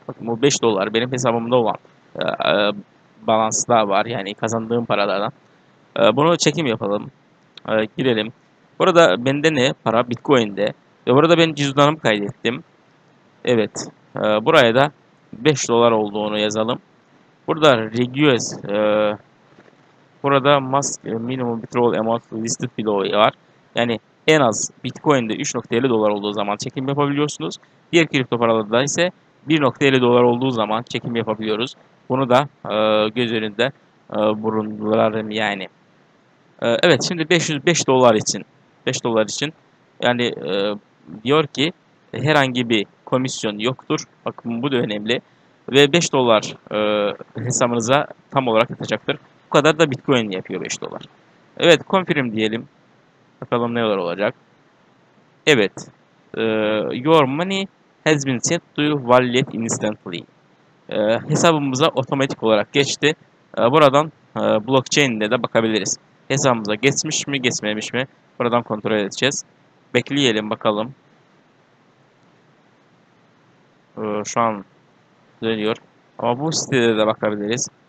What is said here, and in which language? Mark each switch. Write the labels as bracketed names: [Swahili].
[Turkish] Bakın bu 5 dolar benim hesabımda olan balansı da var. Yani kazandığım paralardan. Bunu çekim yapalım. Girelim. Burada bende ne? Para Bitcoin'de. Ve burada ben cüzdanımı kaydettim. Evet. Buraya da 5 dolar olduğunu yazalım. Burada [English] reduce, [Turkish] burada [English] must minimum withdrawal amount listed below [Turkish] var. Yani en az Bitcoin'de 3.50 dolar olduğu zaman çekim yapabiliyorsunuz. Diğer kripto paralarda ise 1.50 dolar olduğu zaman çekim yapabiliyoruz. Bunu da göz önünde bulundurarım yani. Evet, şimdi 505 dolar için, 5 dolar için yani diyor ki herhangi bir komisyon yoktur. Bakın bu da önemli. Ve 5 dolar hesabınıza tam olarak yatacaktır. Bu kadar da Bitcoin yapıyor 5 dolar. Evet, confirm diyelim. Bakalım neler olacak. Evet. [English] Your money has been sent to wallet instantly. [Turkish] Hesabımıza otomatik olarak geçti. Buradan blockchain'de de bakabiliriz. Hesabımıza geçmiş mi, geçmemiş mi? Buradan kontrol edeceğiz. Bekleyelim bakalım. Şu an dönüyor. Ama bu sitede de bakabiliriz.